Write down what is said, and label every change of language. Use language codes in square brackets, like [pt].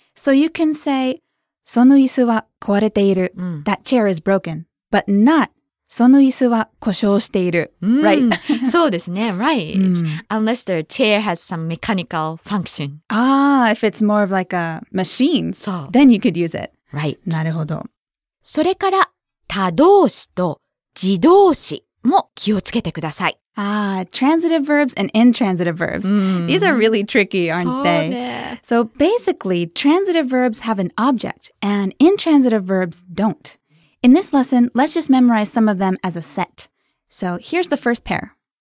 [en] So you can say, [ja] その椅子は壊れている。 [en] That chair is broken. But not, [ja] その椅子は故障している。 [en] Right? [ja] そうですね、right. [en] Unless the chair has some mechanical function. Ah, if it's more of like a machine, then you could use it. Right. [ja] なるほど。それから、他動詞と自動詞も気をつけてください。 [en] Ah, transitive verbs and intransitive verbs. Mm. These are really tricky, aren't they? So basically, transitive verbs have an object and intransitive verbs don't. In this lesson, let's just memorize some of them as a set. So here's the first pair.